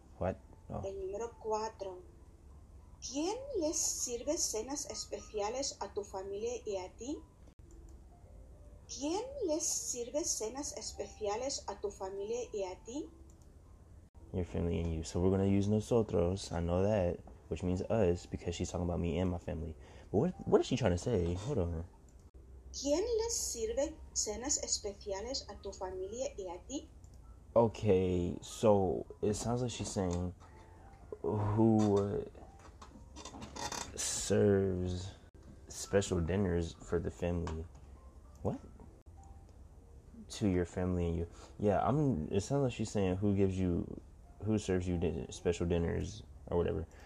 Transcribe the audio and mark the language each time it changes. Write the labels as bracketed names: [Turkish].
[English] What? [Spanish] No. El número cuatro. ¿Quién les sirve cenas especiales a tu familia y a ti? ¿Quién les sirve cenas especiales a tu familia y a ti? [English] Your family and you. So we're going to use nosotros. I know that. Which means us, because she's talking about me and my family. But what is she trying to say? Hold on. [Spanish] ¿Quién les sirve cenas especiales a tu familia y a ti? [English] Okay, so it sounds like she's saying who serves special dinners for the family. What? To your family and you. Yeah, it sounds like she's saying who serves you special dinners or whatever.